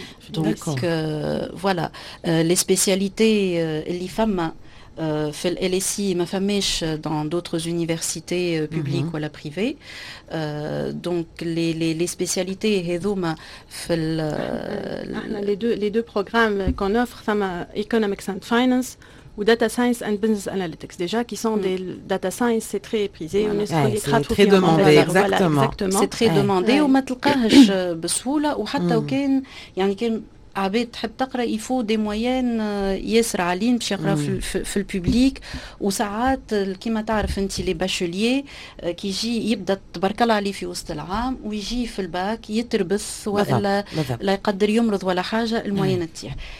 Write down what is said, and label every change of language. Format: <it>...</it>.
<ar>دونك فوالا لي سبيسياليتي اللي فما في ال LSE ما فماش</ar> <fr>dans d'autres universités publiques</fr> <ar>ولا privées.</ar> <fr>Donc les spécialités</fr> <ar>هذوما في ال</ar> <fr>احنا les deux programmes qu'on offre فما Economics and Finance ou Data Science and Business Analytics، déjà qui sont des data science c'est très prisé، voilà. très demandé exactement. C'est très demandé</fr> <ar>وما تلقاهش بسهوله، وحتى وكان يعني كان عباد تحب تقرا يفو دي موين ياسر عالين باش يقرا في الببليك. وساعات كيما تعرف انت لي باشوليي كي يجي يبدا تبارك الله عليه في وسط العام ويجي في الباك يتربس، والا لا يقدر يمرض ولا حاجه الموين تطيح.</ar>